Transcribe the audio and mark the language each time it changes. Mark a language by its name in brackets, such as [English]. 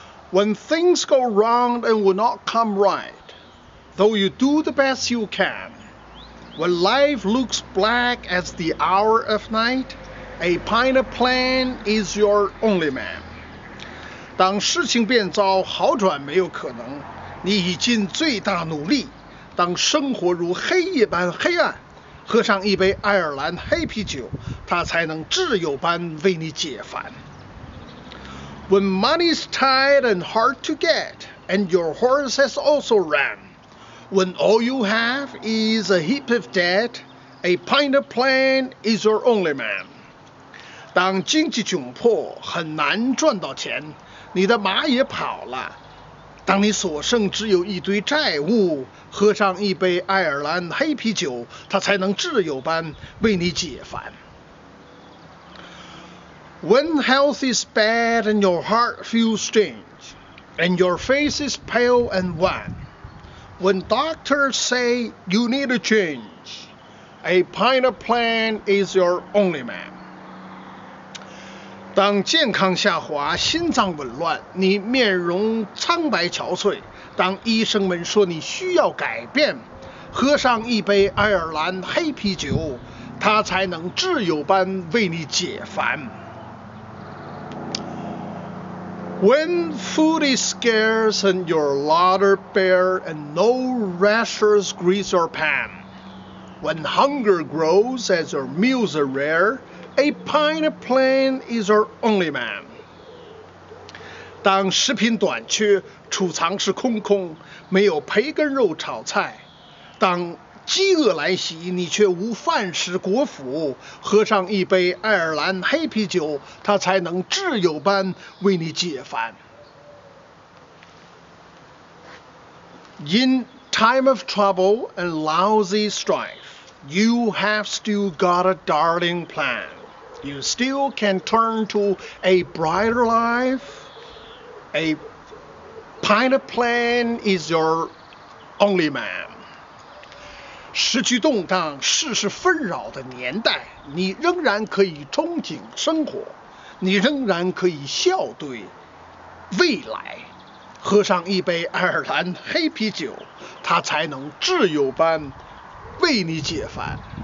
[English] When things go wrong and will not come right, though you do the best you can, when life looks black as the hour of night, a pint of plan is your only man. [Chinese] 当事情变糟，好转没有可能，你已尽最大努力。当生活如黑夜般黑暗，喝上一杯爱尔兰黑啤酒，它才能挚友般为你解烦。 [English] When money's tight and hard to get, and your horse has also ran, when all you have is a heap of debt, a pint of plan is your only man. [Chinese] 当经济窘迫，很难赚到钱，你的马也跑了，当你所剩只有一堆债务，喝上一杯爱尔兰黑啤酒，它才能挚友般为你解烦。 [English] When health is bad and your heart feels strange, and your face is pale and wan, when doctors say you need a change, a pint of plan is your only man. [Chinese] 当健康下滑，心脏紊乱，你面容苍白憔悴，当医生们说你需要改变，喝上一杯爱尔兰黑啤酒，它才能挚友般为你解烦。 [English] When food is scarce and your larder bare and no rashers grease your pan, when hunger grows as your meals are rare, a pint of plan is your only man. [Chinese] 当食品短缺，储藏室空空，没有培根肉炒菜，当饥饿来袭，你却无饭食果腹，喝上一杯爱尔兰黑啤酒，它才能挚友般为你解烦。 [English] In time of trouble and lousy strife, you have still got a darling plan. You still can turn to a brighter life. A pint of plan is your only man. [Chinese] 时局动荡，世事纷扰的年代，你仍然可以憧憬生活，你仍然可以笑对未来，喝上一杯爱尔兰黑啤酒，它才能挚友般为你解烦。